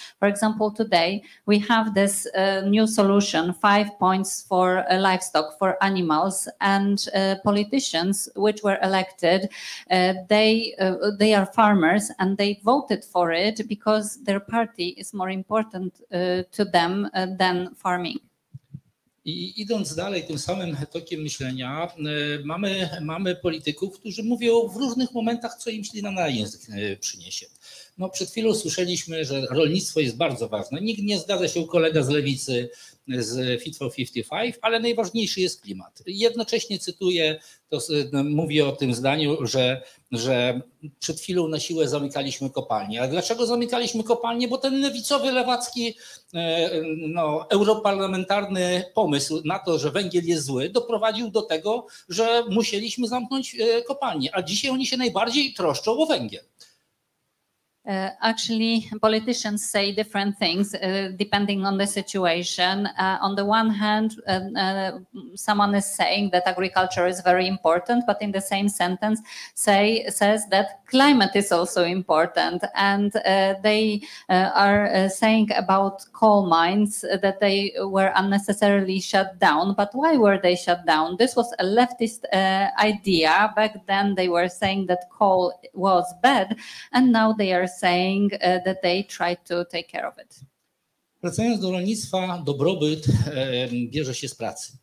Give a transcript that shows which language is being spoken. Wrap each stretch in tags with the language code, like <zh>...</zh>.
<en>For example, today we have this new solution, 5 points for livestock, for animals. And politicians which were elected, they are farmers and they voted for it because their party is more important to them than farming.</en> <pl>I idąc dalej tym samym tokiem myślenia, mamy polityków, którzy mówią w różnych momentach, co im ślina na język przyniesie. No, przed chwilą słyszeliśmy, że rolnictwo jest bardzo ważne. Nikt nie zgadza się, kolega z lewicy z Fit for 55, ale najważniejszy jest klimat. Jednocześnie cytuję, to mówię o tym zdaniu, że przed chwilą na siłę zamykaliśmy kopalnie. A dlaczego zamykaliśmy kopalnie? Bo ten lewicowy, lewacki, no, europarlamentarny pomysł na to, że węgiel jest zły, doprowadził do tego, że musieliśmy zamknąć kopalnie. A dzisiaj oni się najbardziej troszczą o węgiel.</pl> <en>Actually, politicians say different things depending on the situation. On the one hand, someone is saying that agriculture is very important, but in the same sentence says that climate is also important. And they are saying about coal mines that they were unnecessarily shut down. But why were they shut down? This was a leftist idea. Back then they were saying that coal was bad, and now they are saying that they try to take care of it.</en> <pl>Wracając do rolnictwa, dobrobyt bierze się z pracy.</pl>